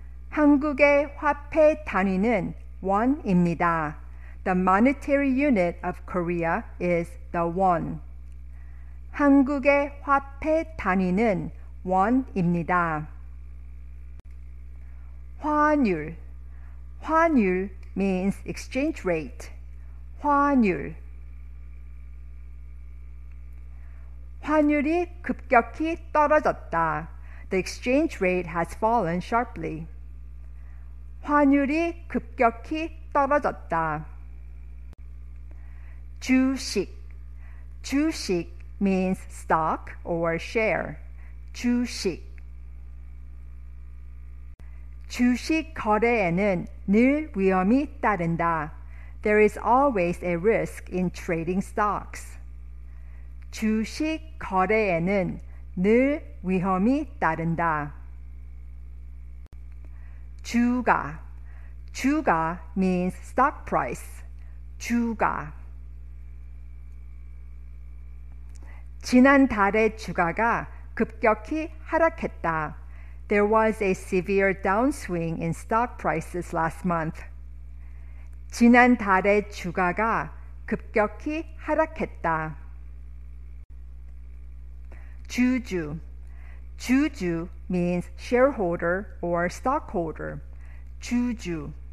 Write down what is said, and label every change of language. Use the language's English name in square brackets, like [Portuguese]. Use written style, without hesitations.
[Korean] 한국의 화폐 단위는 원입니다. [English] The monetary unit of Korea is the won. [Korean] 한국의 화폐 단위는 원입니다. [English] 환율. 환율 means exchange rate. 환율. [Korean] 환율이 급격히 떨어졌다. [English] The exchange rate has fallen sharply. [Korean] 환율이 급격히 떨어졌다. [English] 주식. 주식 means stock or share. 주식. [Korean] 주식 거래에는 늘 위험이 따른다. [English] There is always a risk in trading stocks. [Korean] 주식 거래에는 늘 위험이 따른다. [English] 주가. 주가 means stock price. 주가. [Korean] 지난달의 주가가 급격히 하락했다. [English] There was a severe downswing in stock prices last month. [Korean] 지난달의 주가가 급격히 하락했다. [English] 주주. 주주 means shareholder or stockholder. 주주.